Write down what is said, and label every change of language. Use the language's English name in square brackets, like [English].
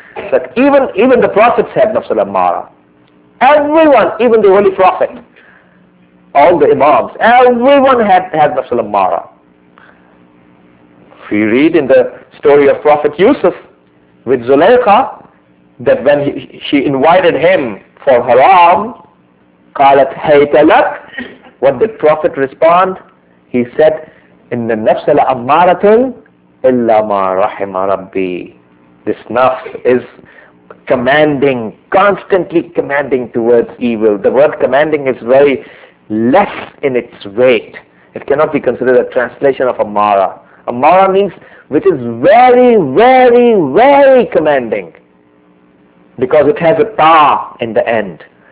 [English] But even the prophets have nafs al-ammara. Everyone, even the Holy Prophet, all the Imams, everyone had nafs al-ammara. We read in the story of Prophet Yusuf with Zulaykha, that when she invited him for haram, [Arabic] قَالَتْ هَيْتَ لَكْ. [English] What did Prophet respond? He said, [Arabic] إِنَّ النَّفْسَ لَأَمَّارَةٌ إِلَّا مَا رَحِمَ رَبِّي. [English] This nafs is commanding, constantly commanding towards evil. The word commanding is very less in its weight. It cannot be considered a translation of amara. Amara means which is very, very, very commanding, because it has a ta in the end.